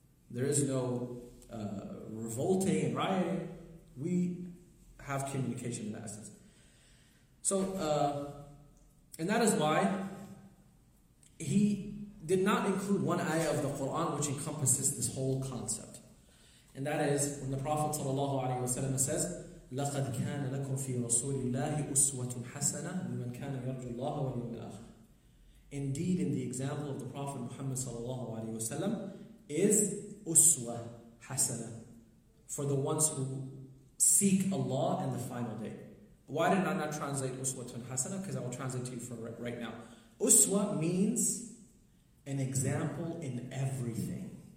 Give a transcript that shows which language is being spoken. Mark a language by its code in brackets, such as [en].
[en] There is no revolting and rioting. We have communication in that essence. So, and that is why he did not include one ayah of the Quran which encompasses this whole concept. And that is when the Prophet ﷺ says, [ar] لَقَدْ كَانَ لَكُمْ فِي رَسُولِ اللَّهِ أُسْوَةٌ حَسَنَةٌ لِمَنْ كَانَ يَرْجُ اللَّهَ وَلِيَوْمَ الْآخِرِ. [en] Indeed, in the example of the Prophet Muhammad ﷺ is uswa hasana for the ones who seek Allah in the final day. Why did I not translate uswatun hasana? Because I will translate to you for right now. Uswa means an example in everything.